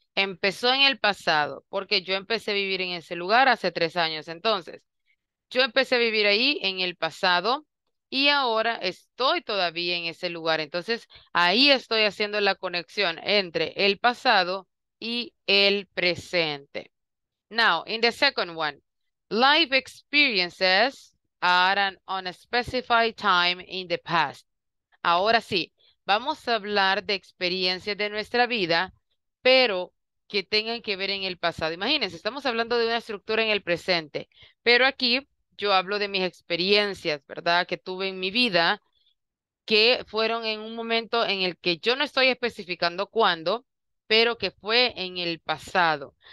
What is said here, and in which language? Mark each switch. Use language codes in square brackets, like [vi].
[es] Empezó en el pasado, porque yo empecé a vivir en ese lugar hace 3 años. Entonces, yo empecé a vivir ahí en el pasado y ahora estoy todavía en ese lugar. Entonces, ahí estoy haciendo la conexión entre el pasado y el presente. [en] Now, in the second one, life experiences are an unspecified time in the past. [es] Ahora sí, vamos a hablar de experiencias de nuestra vida, pero que tengan que ver en el pasado. Imagínense, estamos hablando de una estructura en el presente, pero aquí yo hablo de mis experiencias, ¿verdad?, que tuve en mi vida, que fueron en un momento en el que yo no estoy especificando cuándo, pero que fue en el pasado.